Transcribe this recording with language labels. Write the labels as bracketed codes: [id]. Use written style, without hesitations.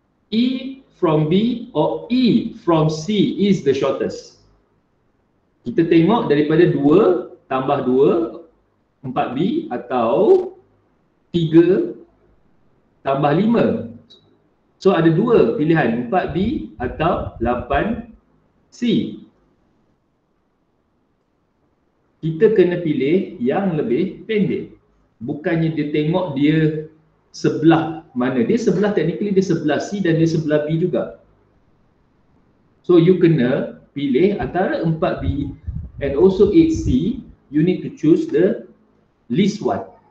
[en] E from B or E from C is the shortest. [ms] Kita tengok daripada 2 tambah 2 4B atau 3 tambah 5. So ada dua pilihan, 4B atau 8C. Kita kena pilih yang lebih pendek. Bukannya dia tengok dia sebelah mana, dia sebelah, technically dia sebelah C dan dia sebelah B juga. [en] So you [ms] kena pilih antara [en] 4B and also 8C, you need to choose the least one.